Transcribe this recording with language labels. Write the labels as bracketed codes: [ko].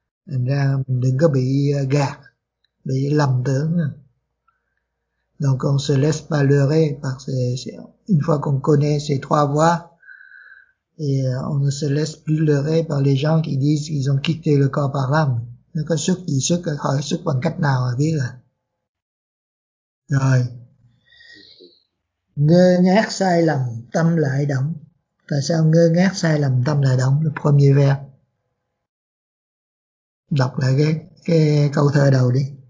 [vi] Thành ra mình đừng có bị gạt, bị lầm tưởng. [fr] Donc on se laisse pas leurrer parce que une fois qu'on connaît ces trois voies, et on ne se laisse plus leurrer par les gens qui disent qu'ils ont quitté le corps par l'âme. [vi] Nó có xuất gì xuất, hỏi xuất bằng cách nào rồi biết rồi. Ngơ ngác sai lầm tâm lại động. Tại sao ngơ ngác sai lầm tâm lại động? [fr] Le premier vers. [vi] Đọc lại cái câu thơ đầu đi.